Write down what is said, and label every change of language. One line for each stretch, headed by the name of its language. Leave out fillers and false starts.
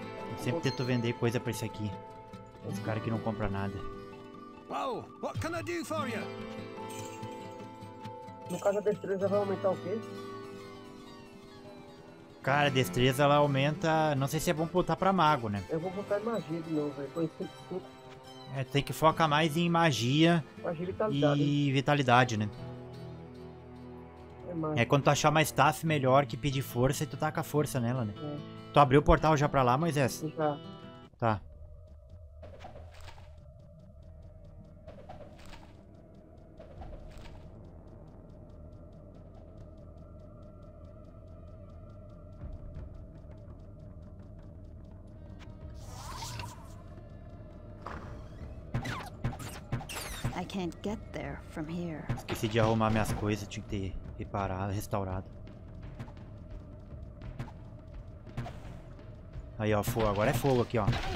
Portuguese: Eu sempre tento vender coisa pra esse aqui. Esse cara que não compra nada.
English: Well, what can I do for you?
Portuguese: No caso, a destreza vai aumentar o quê? Cara, a destreza ela aumenta. Não sei se é bom botar pra mago, né? Eu vou botar magia de novo, velho. Tem que focar mais em magia e vitalidade, né? É quando tu achar uma staff melhor que pedir força e tu taca força nela, né? É. Tu abriu o portal já pra lá, Moisés? Já. Tá.
English: I can't get there from here.
Portuguese: Esqueci de arrumar minhas coisas, tinha que ter reparado, restaurado. Aí ó, fogo, agora é fogo aqui ó.